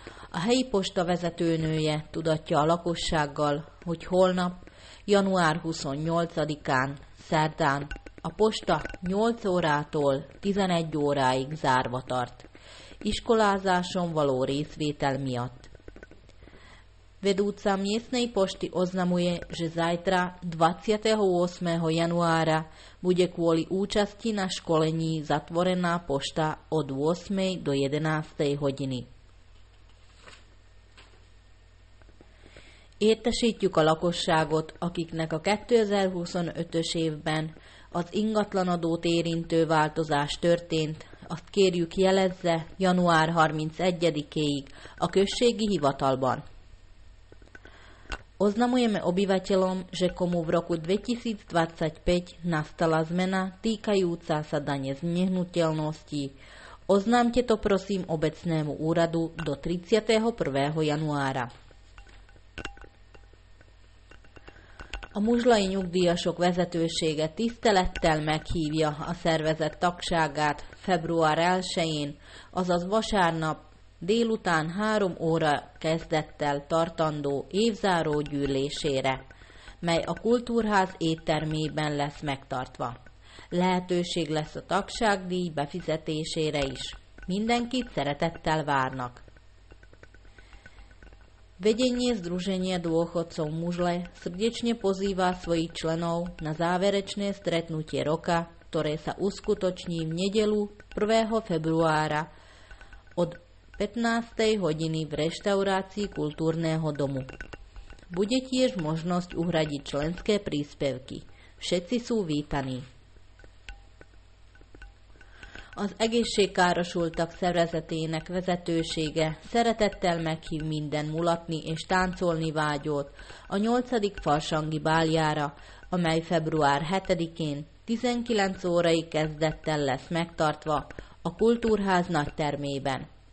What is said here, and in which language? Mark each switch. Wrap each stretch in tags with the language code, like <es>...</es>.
<hu>A helyi posta vezetőnője tudatja a lakossággal, hogy holnap, január 28-án, szerdán, a posta 8 órától 11 óráig zárva tart. Iskolázáson való részvétel miatt.</hu> <sk>Vedúca miestnej pošty oznamuje, že zajtra 28. januára bude kvôli účasti na školení zatvorená pošta od 8. do 11. hodiny.</sk> <hu>Értesítjük a lakosságot, akiknek a 2025-ös évben az ingatlanadót érintő változás történt, azt kérjük jelezze január 31-éig a községi hivatalban.</hu> <sk>Oznamujeme obyvateľom, že komu v roku 2025 nastala zmena týkajúca sa dane z nehnuteľnosti, oznámte to prosím obecnému úradu do 31. januára.</sk> <hu>A muzslai nyugdíjasok vezetősége tisztelettel meghívja a szervezet tagságát február 1-én, azaz vasárnap, délután 3 óra kezdettel tartandó évzáró gyűlésére, mely a kultúrház éttermében lesz megtartva. Lehetőség lesz a tagságdíj befizetésére is. Mindenkit szeretettel várnak.</hu> <sk>Vedenie Združenia dôchodcov Mužle srdečne pozýva svojich členov na záverečné stretnutie roka, ktoré sa uskutoční v nedeľu 1. februára od 15. hodiny v reštaurácii kultúrneho domu. Bude tiež možnosť uhradiť členské príspevky. Všetci sú vítaní.</sk> <hu>Az egészségkárosultak szervezetének vezetősége szeretettel meghív minden mulatni és táncolni vágyót a 8. farsangi báljára, amely február 7-én 19 órai kezdettel lesz megtartva a kultúrház nagy termében.</hu>